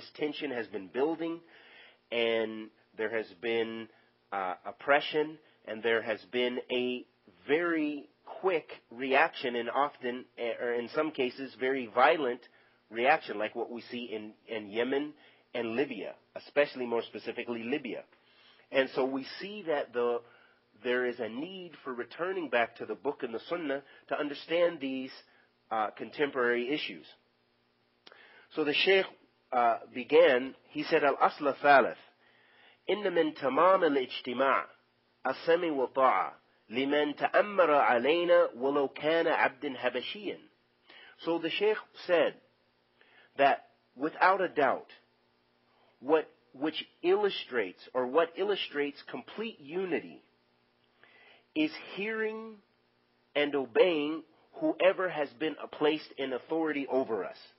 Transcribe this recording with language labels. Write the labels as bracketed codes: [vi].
[en] This tension has been building, and there has been oppression, and there has been a very quick reaction, and often, or in some cases, very violent reaction, like what we see in Yemen and Libya, especially more specifically Libya. And so we see that there is a need for returning back to the book and the sunnah to understand these contemporary issues. So the Shaykh began, he said, al-asla thalith, [ar] إن من تمام الاجتماع السمع والطاعة لمن تأمر علينا ولو كان عبدا حبشيا. [en] So the Sheikh said that without a doubt, what illustrates complete unity is hearing and obeying whoever has been placed in authority over us.